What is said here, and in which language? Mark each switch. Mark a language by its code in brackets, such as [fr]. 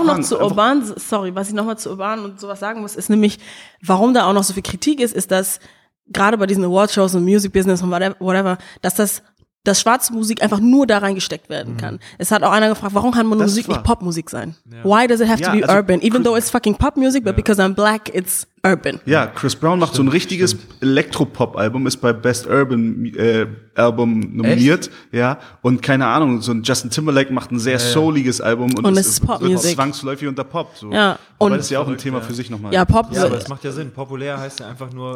[de] Was ich nochmal zu urban und sowas sagen muss, ist nämlich, warum da auch noch so viel Kritik ist, ist, dass gerade bei diesen Awardshows und Music Business und whatever, dass schwarze Musik einfach nur da reingesteckt werden kann. Es hat auch einer gefragt, warum kann meine Musik nicht Popmusik sein? [en] Ja. Why does it have to be urban? Even though it's fucking Popmusik, but because I'm black, it's urban. [de] Ja, Chris Brown macht so ein richtiges Elektropop-Album, ist bei Best Urban Album nominiert. Echt? Ja, und keine Ahnung, so ein Justin Timberlake macht ein sehr souliges Album und es ist Popmusik. Zwangsläufig unter Pop. So. Ja. Und aber das ist ja auch ein Thema für sich nochmal. Ja, Pop. Ja, aber das macht ja Sinn. Populär heißt ja einfach nur